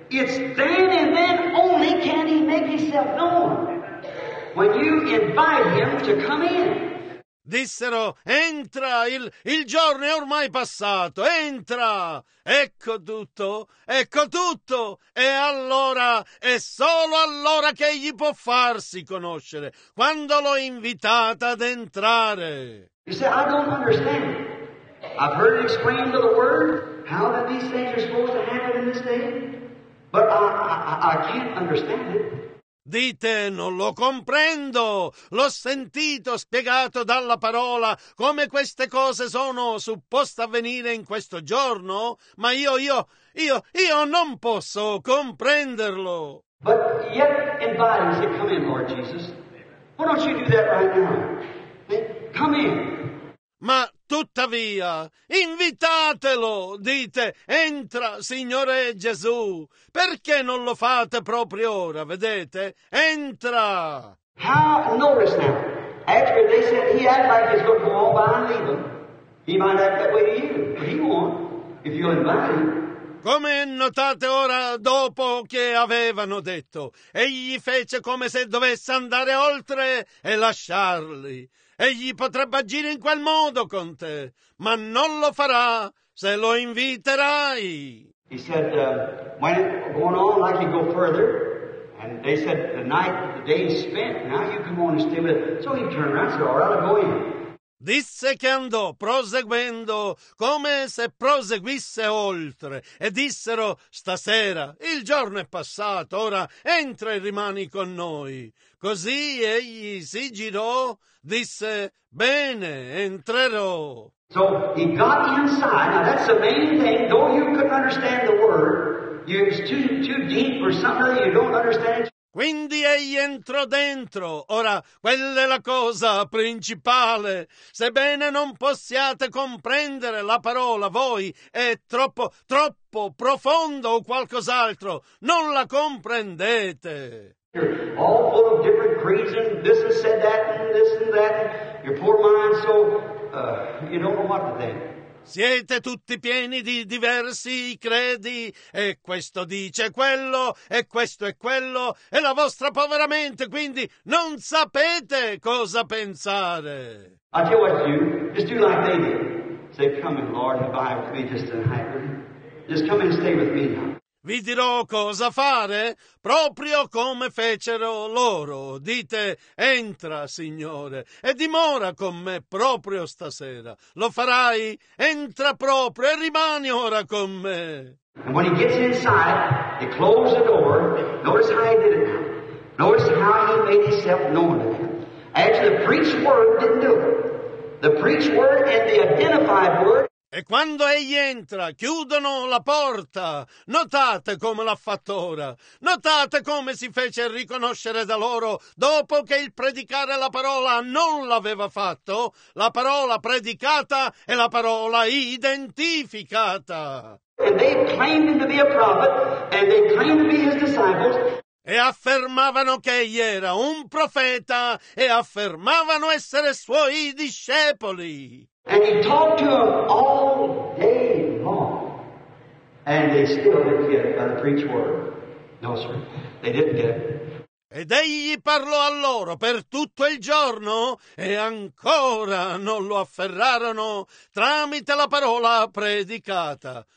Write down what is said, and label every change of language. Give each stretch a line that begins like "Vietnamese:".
English: It's then and then only can he make himself known. When you invite him to come in.
Italian: Dissero, entra, il giorno è ormai passato, entra, ecco tutto, e allora, è solo allora che egli può farsi conoscere, quando l'ho invitata ad entrare.
English: You say, I don't understand. I've heard it explained to the Word, how that these things are supposed to happen in this day, but I can't understand it.
Italian: Dite, non lo comprendo, l'ho sentito spiegato dalla parola come queste cose sono supposte avvenire in questo giorno, ma io non posso comprenderlo.
English: But yet invite him, come in, Lord Jesus. Why don't you do that right now? Come in.
Italian: Ma tuttavia, invitatelo, dite, entra, Signore Gesù. Perché non lo fate proprio ora, vedete? Entra!
English: How, notice now, after they said he acted like he's going to go all behind him, he might act that way to you, but he won't, if you invite him.
Italian: Come notate ora dopo che avevano detto, egli fece come se dovesse andare oltre e lasciarli. Egli potrebbe agire in quel modo con te, ma non lo farà se lo inviterai.
English: He said, when it going on, I could go further. And they said, the night, the day is spent, now you come on and stay with it. So he turned around and said, all right, I'll go in.
Italian: Disse che andò proseguendo come se proseguisse oltre e dissero stasera il giorno è passato, ora entra e rimani con noi. Così egli si girò, disse bene, entrerò.
English: So he got inside. Now that's the main thing, though you couldn't understand the word, it's too deep for somebody you don't understand.
Italian: Quindi egli entrò dentro. Ora, quella è la cosa principale. Sebbene non possiate comprendere la parola, voi è troppo profondo o qualcos'altro. Non la comprendete.
English: All full of different creeds and this is said that and this and that. Your poor mind, so you don't know what to think.
Italian: Siete tutti pieni di diversi credi, e questo dice quello, e questo è quello, e la vostra povera mente, quindi non sapete cosa pensare.
English: I tell what you, just do like they did. Say, come in, Lord, and abide with me just a night. Just come and stay with me now.
Italian: Vi dirò cosa fare, proprio come fecero loro. Dite, entra, Signore, e dimora con me proprio stasera. Lo farai? Entra proprio e rimani ora con me.
English: And when he gets inside, he closed the door. Notice how he did it now. Notice how he made himself known to them. Actually, the preached word didn't do it. The preached word and the identified word.
Italian: E quando egli entra, chiudono la porta. Notate come l'ha fatto ora. Notate come si fece riconoscere da loro dopo che il predicare la parola non l'aveva fatto. La parola predicata e la parola identificata.
English: And they claimed to be a prophet, and they claimed to be his disciples.
Italian: E affermavano che egli era un profeta e affermavano essere suoi discepoli.
English: And he talked to them all day long. And they still didn't get it by the preached word. No, sir. They didn't get it.
Italian: Ed egli parlò a loro per tutto il giorno e ancora non lo afferrarono tramite la parola predicata.